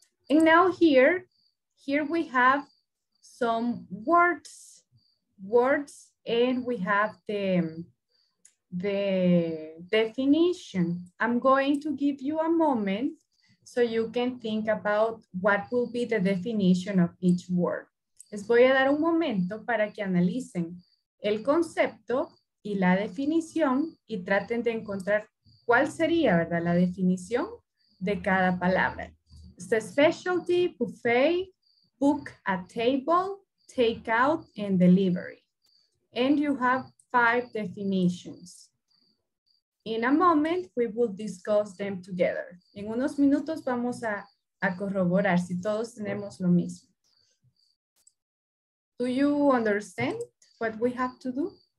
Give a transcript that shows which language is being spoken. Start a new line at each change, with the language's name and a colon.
English: And now here we have some words, and we have the definition. I'm going to give you a moment so you can think about what will be the definition of each word.
Spanish: Les voy a dar un momento para que analicen el concepto y la definición y traten de encontrar cuál sería, ¿verdad?, la definición de cada palabra.
English: The specialty, buffet, book a table, take out, and delivery. And you have 5 definitions. In a moment, we will discuss them together.
Spanish: En unos minutos vamos a corroborar si todos tenemos lo mismo.
English: Do you understand what we have to do?